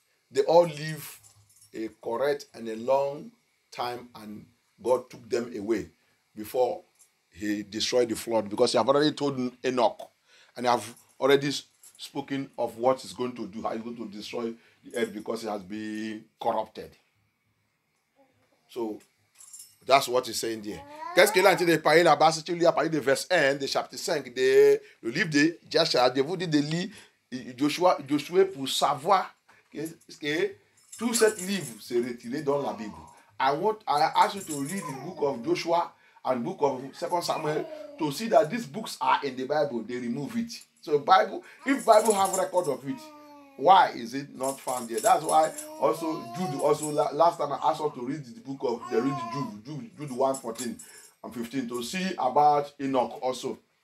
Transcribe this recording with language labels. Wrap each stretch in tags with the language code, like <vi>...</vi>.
<en>They all live a correct and a long time, and God took them away before he destroyed the flood, because he have already told Enoch, and he have already spoken of what he's going to do, how he's going to destroy the earth because it has been corrupted. So that's what he's saying there.</en> <fr>Qu'est-ce qu'il a dit de parler là-bas? Si tu lis à partir de verse 1, de chapitre 5, le livre de Joshua, je vous dis de lire Joshua pour savoir que tout ce livre s'est retiré dans la Bible.</fr> <en>I ask you to read the book of Joshua and book of 2 Samuel to see that these books are in the Bible. They remove it. So if Bible have record of it, why is it not found there? That's why also Jude, also last time I asked her to read the book of Jude 1:14 and 15 to see about Enoch also.</en>